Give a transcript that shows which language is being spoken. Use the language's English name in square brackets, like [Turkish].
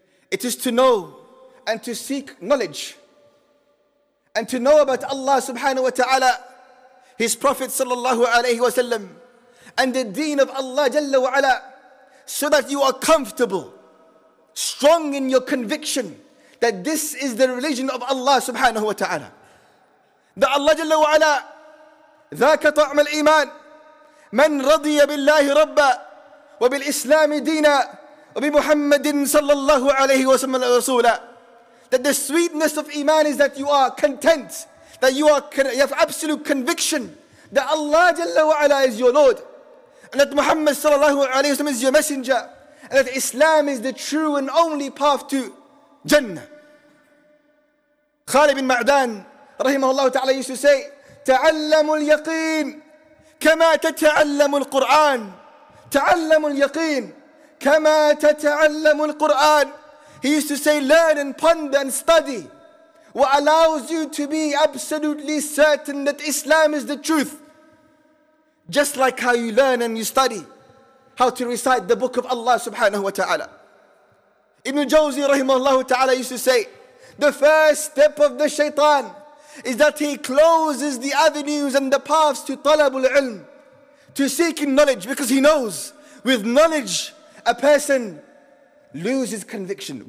[English] It is to know and to seek knowledge and to know about Allah subhanahu wa ta'ala, His Prophet sallallahu alayhi wa sallam, and the deen of Allah jalla wa ala, so that you are comfortable, strong in your conviction that this is the religion of Allah subhanahu wa ta'ala. [Arabic] That Allah jalla wa ala, ذاك طعم الإيمان من رضي بالله ربا وبالإسلام دينا وبمحمد صلى الله عليه وسلم رسولا. [English] That the sweetness of Iman is that you are content, that you have absolute conviction that Allah jalla wa ala is your Lord, and that Muhammad sallallahu alayhi wa sallam is your messenger, and that Islam is the true and only path to Jannah. Khalid bin Ma'dan rahimahullah ta'ala used to say, [Arabic] تعلموا اليقين كما تتعلم القرآن تعلموا اليقين كما تتعلم القرآن. [English] He used to say, learn and ponder and study what allows you to be absolutely certain that Islam is the truth, just like how you learn and you study how to recite the book of Allah subhanahu wa ta'ala. Ibn Jawzi rahimahullah ta'ala used to say, the first step of the shaitan is that he closes the avenues and the paths to talabul ilm, to seeking knowledge, because he knows with knowledge a person loses conviction.